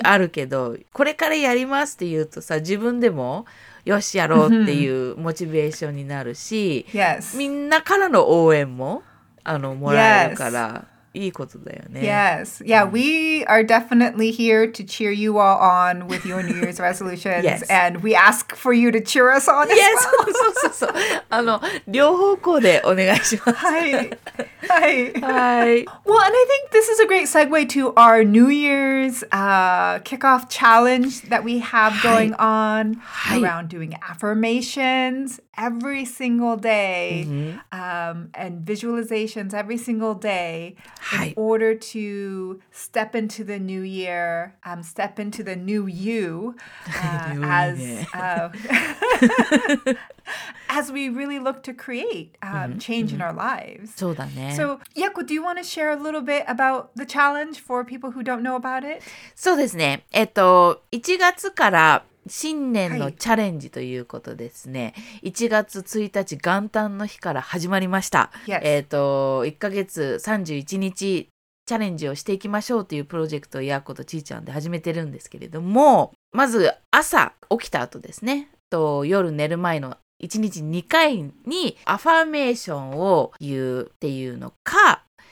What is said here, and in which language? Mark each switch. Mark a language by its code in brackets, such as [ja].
[ja] あるけど、これからやりますって言うとさ、自分でも、よしやろうっていうモチベーションになるし、 [en] yes. [ja] みんなからの応援も、もらえるから、 [en] yes. [ja] いいことだよね。 [en] Yes. Yeah, we are definitely here to cheer you all on with your New Year's resolutions. yes. And we ask for you to cheer us on as yes. well. [ja] そうそうそうそう。両方向でお願いします。はい。はい。はい。 [en] Well, and I think this is a great segue to our New Year's kickoff challenge that we have going on around doing affirmations every single day、and visualizations every single day in order to step into the new year, step into the new you as we really look to create change in our lives. [ja] そうだね。 [en] So, Yaku, do you want to share a little bit about the challenge for people who don't know about it? [ja] そうですね。 1月から新年のチャレンジということですね。 1月1日元旦の日から始まりました。 [en] Yes. [ja] 1ヶ月31日チャレンジをしていきましょうというプロジェクトをYaku とちーちゃんで始めてるんですけれども、まず朝起きた後ですね、夜寝る前の1日2回にアファーメーションを言うっていうのか、